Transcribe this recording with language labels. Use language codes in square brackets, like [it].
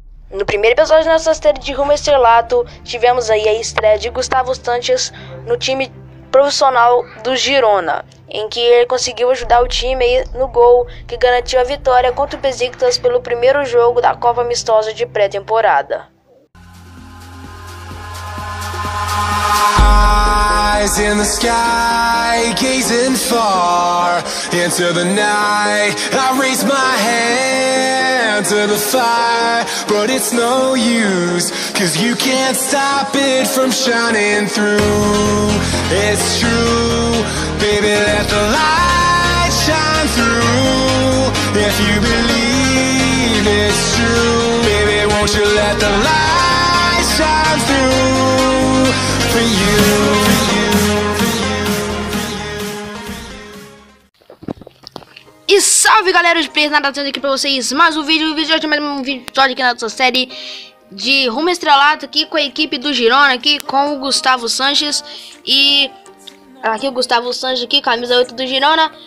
[pt] No primeiro episódio da nossa série de Rumo Estrelato, tivemos aí a estreia de Gustavo Sanches no time profissional do Girona, em que ele conseguiu ajudar o time aí no gol que garantiu a vitória contra o Besiktas pelo primeiro jogo da Copa Amistosa de pré-temporada. [en] Eyes in the sky, gazing far into the night. I raise my hand to the fire, but it's no use, 'cause you can't stop it from shining through. It's true, baby, let the light shine through. If you believe it's true, baby, won't you let the light shine through for you. [pt] E salve galera de Players, nada aqui pra vocês, mais um vídeo, mais um vídeo aqui na nossa série de Rumo Estrelato, aqui com a equipe do Girona, aqui com o Gustavo Sanches, e aqui o Gustavo Sanches aqui, camisa 8 do Girona.